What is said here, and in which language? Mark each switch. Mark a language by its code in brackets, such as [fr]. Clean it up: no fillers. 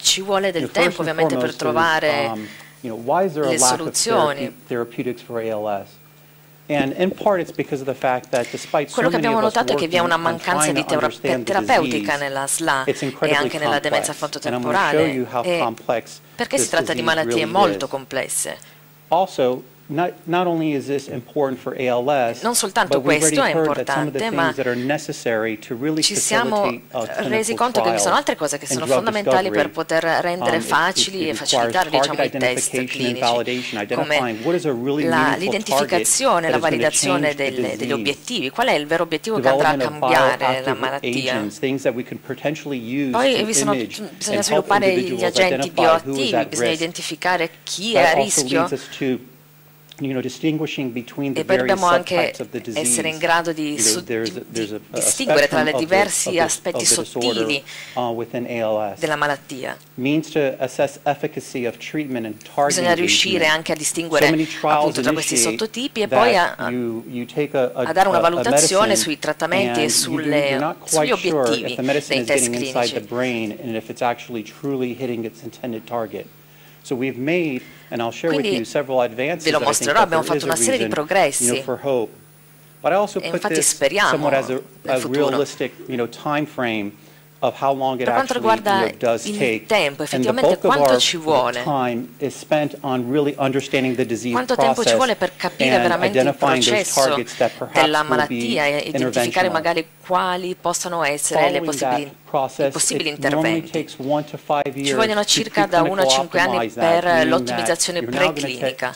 [it] Ci vuole del tempo ovviamente per trovare le soluzioni. [en] Therapeutics for ALS. And in part it's because of the fact that despite [it] quello che abbiamo notato è che vi è una mancanza di terapeutica nella SLA e anche nella demenza frontotemporale, perché si tratta di malattie molto complesse. [en] Also, not only is this important for ALS, [it] non soltanto questo è importante, ma ci siamo resi conto che ci sono altre cose che sono fondamentali per poter rendere facili e facilitare, diciamo, i test clinici, come l'identificazione, la validazione degli obiettivi, qual è il vero obiettivo che andrà a cambiare la malattia. Poi bisogna sviluppare gli agenti bioattivi, bisogna identificare chi è a rischio. E poi dobbiamo anche essere in grado di distinguere tra le diversi aspetti sottili della malattia. Bisogna riuscire anche a distinguere appunto tra questi sottotipi e poi a dare una valutazione sui trattamenti e sugli obiettivi dei test clinici. [en] So we've made, and I'll share with you several advances. [it] Ve lo mostrerò, abbiamo fatto una serie di progressi. [en] But I also put this somewhat as a realistic, time frame of how long it actually does take. [it] Tempo, effettivamente, quanto ci vuole? [en] Time is spent on really understanding the disease [it] quanto tempo ci vuole per capire veramente il processo della malattia e identificare magari quali possano essere le possibili interventi. Ci vogliono circa da 1 a 5 anni per l'ottimizzazione preclinica.